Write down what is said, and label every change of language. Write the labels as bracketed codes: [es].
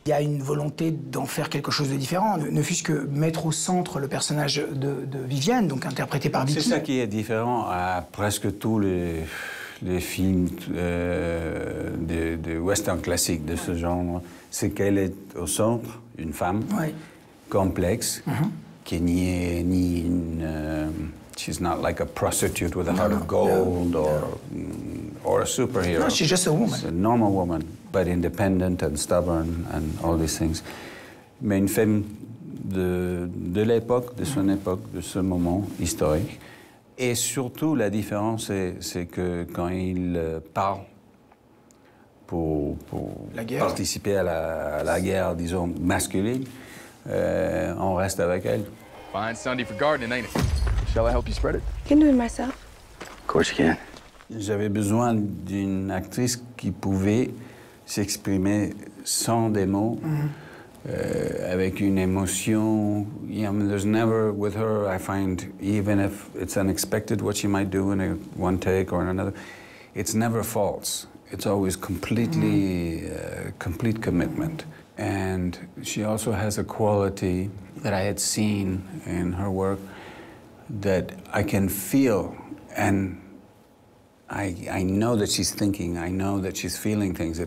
[fr] Il y a une volonté d'en faire quelque chose de différent, ne fût-ce que mettre au centre le personnage de Viviane, donc interprété par Vicky. C'est ça qui est différent à presque tous les les films de western classiques de ce genre, c'est qu'elle est au centre, une femme, oui, complexe, mm-hmm, qui n'y est ni une... [en] she's not like a prostitute with a heart of gold or a superhero. No, she's just a woman. She's a normal woman, but independent and stubborn and all these things. [fr] Mais une femme de l'époque, de son époque, de ce moment historique. Et surtout, la différence, c'est que quand il part pour la guerre, participer à la guerre, disons, masculine, on reste avec elle. [en] Fine Sunday for gardening, ain't it? Shall I help you spread it? I can do it myself. Of course you can. [fr] J'avais besoin d'une actrice qui pouvait s'exprimer sans des mots, mm-hmm, avec une émotion. [en] Yeah, I mean, there's never with her, I find, even if it's unexpected what she might do in a one take or in another, it's never false. It's always completely, mm-hmm, complete commitment. And she also has a quality that I had seen in her work that I can feel, and I know that she's thinking, I know that she's feeling things.